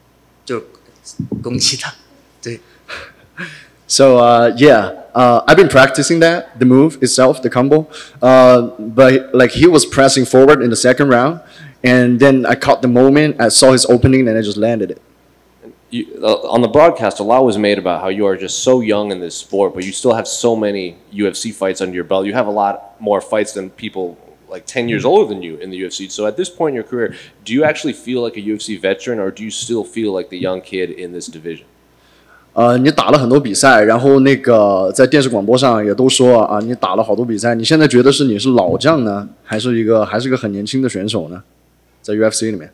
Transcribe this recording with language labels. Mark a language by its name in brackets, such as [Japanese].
[Chinese] 你那个高扫接后直是你平常就是对这次比赛有专门练吗？还是说就是你刚刚就看到了，然后你就直接打了？嗯，我平时都有练，然后第二回合的时候，我看见他就是一直往前压着我打嘛，然后这个时候就给我创造了很多机会，然后这个时候我这个距离就可以抓得住，所以那个后高扫就直接就攻击他，对。 [English] So, I've been practicing that, the move itself, the combo. But like he was pressing forward in the second round, and then I caught the moment, I saw his opening, and I just landed it. You, on the broadcast, a lot was made about how you are just so young in this sport, but you still have so many UFC fights under your belt. You have a lot more fights than people like 10 years older than you in the UFC. So at this point in your career, do you actually feel like a UFC veteran, or do you still feel like the young kid in this division? [Chinese] 你打了很多比赛，然后那个在电视广播上也都说啊，你打了好多比赛，你现在觉得是你是老将呢，还是一个很年轻的选手呢？在 UFC